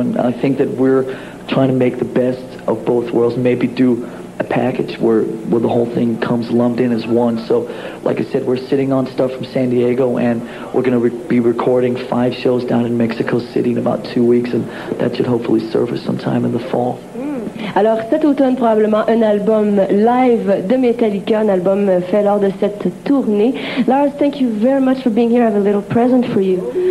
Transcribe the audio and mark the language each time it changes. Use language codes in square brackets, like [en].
[en] And I think that we're trying to make the best of both worlds, maybe do a package where the whole thing comes lumped in as one. So like I said, we're sitting on stuff from San Diego, and we're going to be recording five shows down in Mexico City in about 2 weeks, and that should hopefully surface sometime in the fall. [fr] Alors, cet automne, probablement un album live de Metallica, un album fait lors de cette tournée. [en] Lars, thank you very much for being here. I have a little present for you.